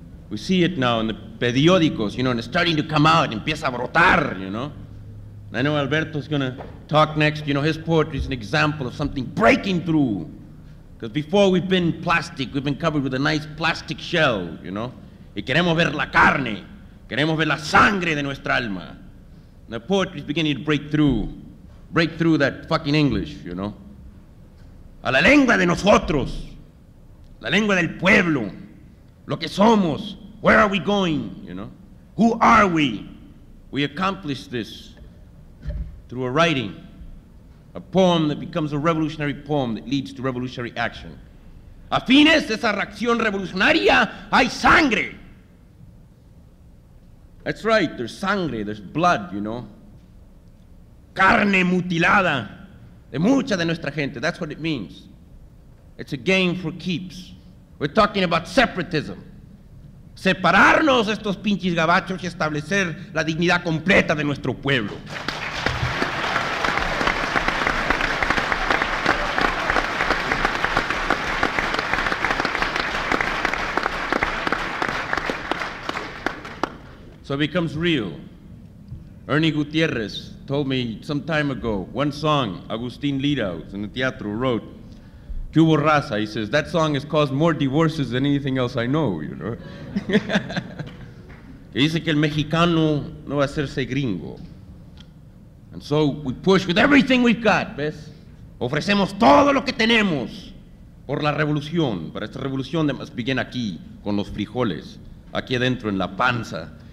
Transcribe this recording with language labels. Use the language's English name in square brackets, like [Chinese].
[English] We see it now in the periódicos, you know, and it's starting to come out, [Spanish] empieza a brotar, [English] you know. And I know Alberto's going to talk next, you know, his poetry is an example of something breaking through. Because before we've been plastic, we've been covered with a nice plastic shell, you know. [Spanish] Y queremos ver la carne, queremos ver la sangre de nuestra alma. [English] And the poetry is beginning to break through that fucking English, you know. [Spanish] A la lengua de nosotros, la lengua del pueblo, lo que somos, [English] where are we going, you know. Who are we? We accomplish this through a writing. A poem that becomes a revolutionary poem that leads to revolutionary action. [Spanish] A fines de esa reacción revolucionaria hay sangre. [English] That's right, there's sangre, there's blood, you know. [Spanish] Carne mutilada de mucha de nuestra gente, [English] that's what it means. It's a game for keeps. We're talking about separatism. [Spanish] Separarnos estos pinches gabachos y establecer la dignidad completa de nuestro pueblo. [English] So it becomes real. Ernie Gutierrez told me some time ago, one song Agustin Lira was in the teatro wrote, [Spanish] Que hubo raza, [English] he says, that song has caused more divorces than anything else I know, you know. [Spanish] Que dice que el mexicano no va a hacerse gringo. [English] And so we push with everything we've got, [Spanish] ¿ves? Ofrecemos todo lo que tenemos por la revolución, para esta revolución [English] that must begin [Spanish] aquí, con los frijoles, aquí adentro en la panza.